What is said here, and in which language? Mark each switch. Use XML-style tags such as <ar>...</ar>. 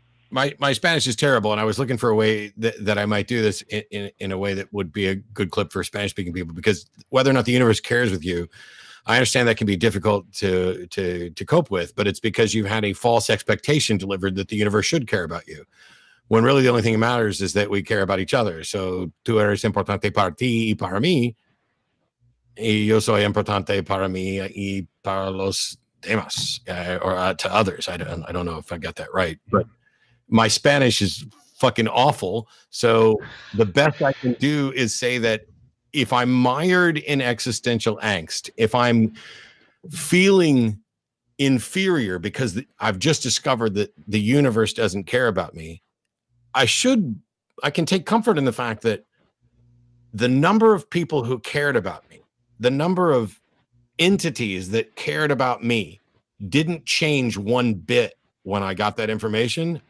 <en>My Spanish is terrible, and I was looking for a way that I might do this in a way that would be a good clip for Spanish speaking people, because whether or not the universe cares with you, I understand that can be difficult to cope with, but it's because you've had a false expectation delivered that the universe should care about you, when really the only thing that matters is that we care about each other.</en> <es>So tú eres importante para ti y para mí, y yo soy importante para mí y para los demás,</es> <en>or to others. I don't know if I got that right, but my Spanish is fucking awful. So the best I can do is say that if I'm mired in existential angst, if I'm feeling inferior because I've just discovered that the universe doesn't care about me, I can take comfort in the fact that the number of people who cared about me, the number of entities that cared about me, didn't change one bit when I got that information.</en>